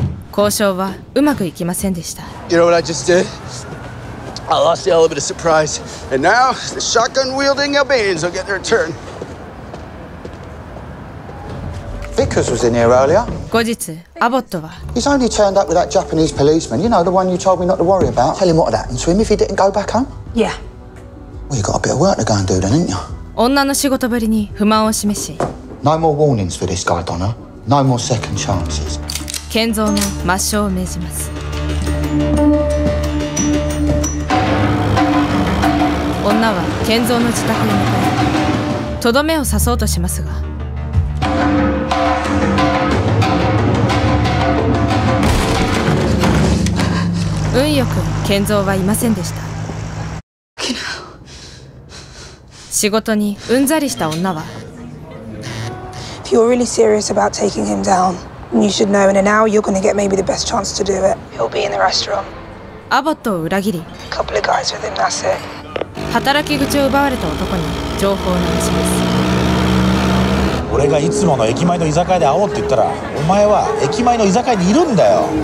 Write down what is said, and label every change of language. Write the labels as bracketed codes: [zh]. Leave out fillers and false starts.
[ja] 交渉はうまくいきませんでした。 [en] You know what I just did? I lost the element of surprise. And now, the shotgun-wielding Albanians will get their turn. Vickers was in here earlier. [ja] 後日、アボットは [en] He's only turned up with that Japanese policeman. You know, the one you told me not to worry about. Tell him what happened to him if he didn't go back home? Yeah. Well, you got a bit of work to go and do then, didn't you? [ja] 女の仕事ぶりに不満を示し [en] No more warnings for this guy, Donna. No more second chances. [ja] 建造の抹消を命じます。女は建造の自宅に向かい、とどめを刺そうとしますが、運よく建造はいませんでした。仕事にうんざりした女は [en] If you're really serious about taking him down, you should know in an hour you're gonna get maybe the best chance to do it. He'll be in the restaurant. [ja] アボットを裏切り [en] A couple of guys with him, that's it. [ja] 働き口を奪われた男に情報を流します。俺がいつもの駅前の居酒屋で会おうって言ったら、お前は駅前の居酒屋にいるんだよ。